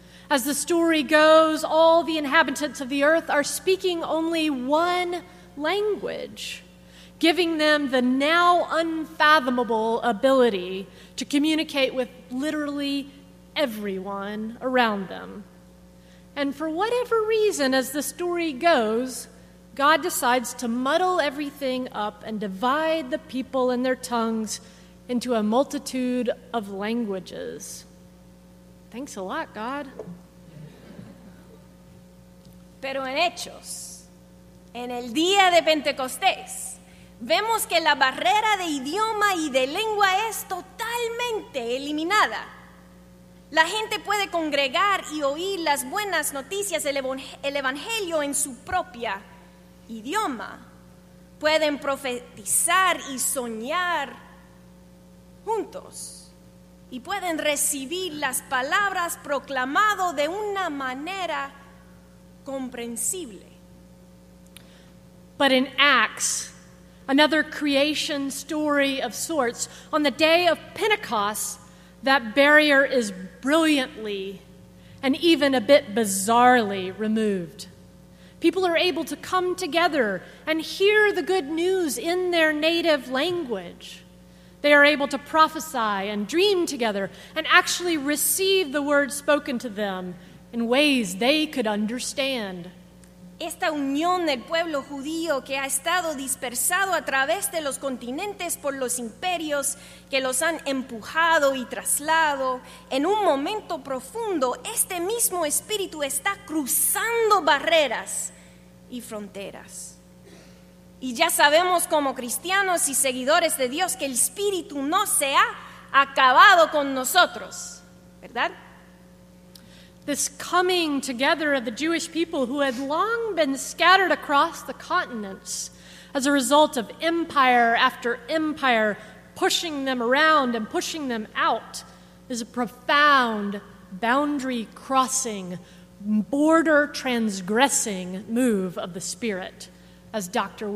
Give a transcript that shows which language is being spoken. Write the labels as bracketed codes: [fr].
[en] As the story goes, all the inhabitants of the earth are speaking only one language, giving them the now unfathomable ability to communicate with literally everyone around them. And for whatever reason, as the story goes, God decides to muddle everything up and divide the people and their tongues into a multitude of languages. Thanks a lot, God. [es] Pero en Hechos, en el día de Pentecostés, vemos que la barrera de idioma y de lengua es totalmente eliminada. La gente puede congregar y oír las buenas noticias, el evangelio en su propia idioma. Pueden profetizar y soñar juntos. Y pueden recibir las palabras proclamado de una manera comprensible. [en] But in Acts, another creation story of sorts, on the day of Pentecost, that barrier is brilliantly and even a bit bizarrely removed. People are able to come together and hear the good news in their native language. They are able to prophesy and dream together and actually receive the word spoken to them in ways they could understand. [es] Esta unión del pueblo judío que ha estado dispersado a través de los continentes por los imperios que los han empujado y traslado, en un momento profundo, este mismo espíritu está cruzando barreras y fronteras. Y ya sabemos como cristianos y seguidores de Dios que el espíritu no se ha acabado con nosotros, ¿verdad? [en] This coming together of the Jewish people who had long been scattered across the continents as a result of empire after empire pushing them around and pushing them out is a profound boundary crossing, border transgressing move of the Spirit, as Dr.